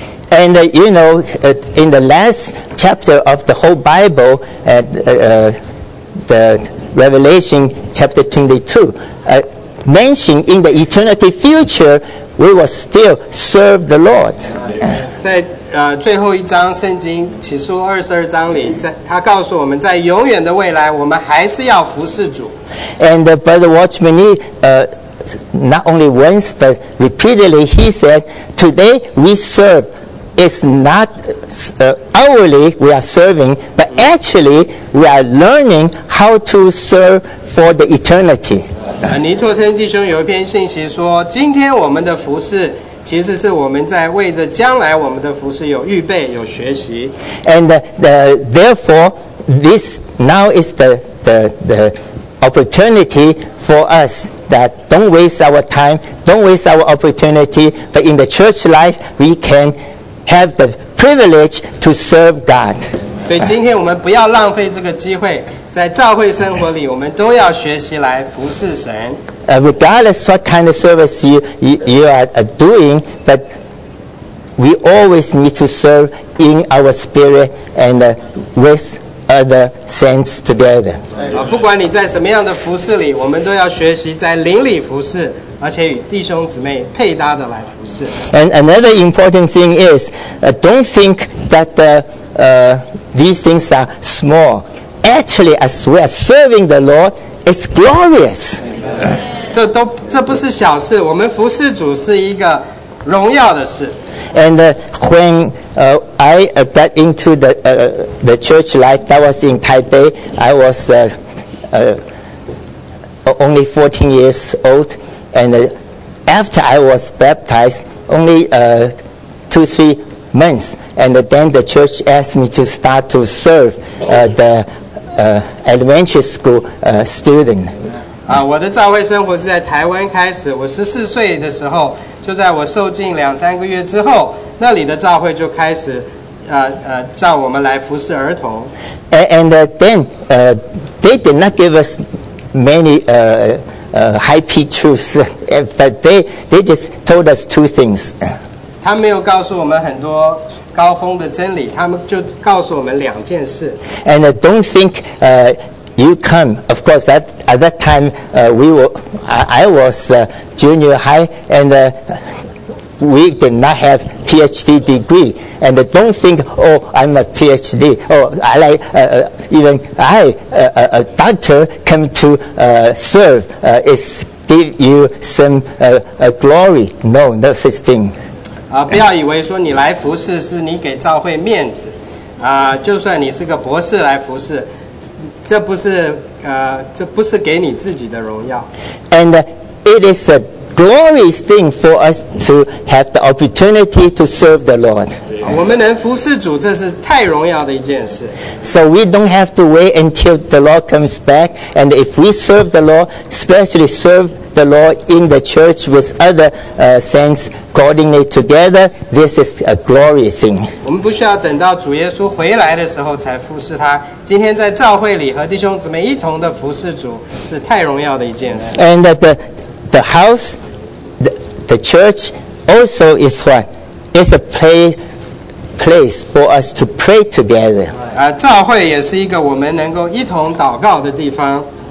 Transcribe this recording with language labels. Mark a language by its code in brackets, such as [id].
[en] And you know, in the last chapter of the whole Bible, at the Revelation chapter 22, mentioned in the eternity future, we will still serve the Lord. [zh] 在最后一章圣经启示录22章里，他告诉我们在永远的未来，我们还是要服侍主。 [en] And Brother Watchman Nee, not only once but repeatedly, he said, "Today we serve." It's not hourly we are serving, but actually we are learning how to serve for the eternity. [zh] 尼托森弟兄有一篇信息说，今天我们的服事其实是我们在为着将来我们的服事有预备有学习。 [en] And therefore, this now is the opportunity for us. That don't waste our time, don't waste our opportunity. But in the church life, we can have the privilege to serve God. [zh] 所以今天我们不要浪费这个机会，在教会生活里，我们都要学习来服侍神。 [en] Regardless what kind of service you are doing, but we always need to serve in our spirit and with. Other saints together. [zh] 不管你在什么样的服事里，我们都要学习在灵里服事，而且与弟兄姊妹配搭的来服事。 [en] And another important thing is, don't think that these things are small. Actually, as we are serving the Lord, it's glorious. [zh] 这不是小事，我们服事主是一个荣耀的事。 [en] And when I got into the church life, that was in Taipei. I was only 14 years old. And after I was baptized, only 2-3 months. And then the church asked me to start to serve the elementary school student. [zh] 我的教会生活是在台湾开始。我14岁的时候，就在我受浸两三个月之后，那里的教会就开始叫我们来服侍儿童。 [en] And then they did not give us many high key truths, but they just told us two things. [zh] 他没有告诉我们很多高峰的真理，他们就告诉我们两件事。 [en] And don't think you come. Of course, at that time I was junior high and we did not have PhD degree. And don't think, oh, I'm a PhD. Oh, I like, even I, a doctor, come to serve. It's give you some glory. No, not this thing. [zh] 不要以为说你来服侍是你给教会面子。就算你是个博士来服侍，这不是给你自己的荣耀。 [en] And it is a glorious thing for us to have the opportunity to serve the Lord. [zh] 我们能服侍主，这是太荣耀的一件事。 [en] So we don't have to wait until the Lord comes back. And if we serve the Lord, especially serve the Lord in the church with other saints coordinate together, this is a glorious thing. [zh] 我们不需要等到主耶稣回来的时候才服侍他。今天在教会里和弟兄姊妹一同的服侍主，是太荣耀的一件事。 [en] And the house, the church also is what? It's a place for us to pray together. [zh] 教会也是一个我们能够一同祷告的地方。